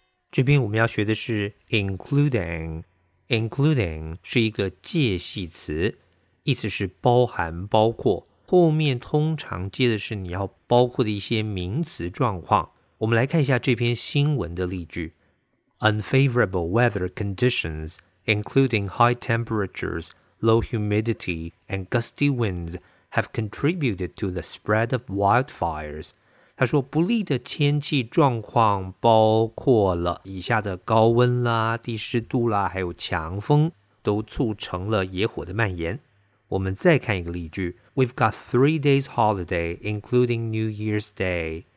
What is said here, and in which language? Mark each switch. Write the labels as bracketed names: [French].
[Chinese] 这边我们要学的是 including， including 是一个介系词，意思是包含包括，后面通常接的是你要包括的一些名词状况。我们来看一下这篇新闻的例句。 [English] Unfavorable weather conditions, including high temperatures, low humidity, and gusty winds have contributed to the spread of wildfires. [Chinese] 他说不利的天气状况包括了以下的高温啦、低湿度啦、还有强风，都促成了野火的蔓延。我们再看一个例句。 [English] We've got 3 days holiday, including New Year's Day.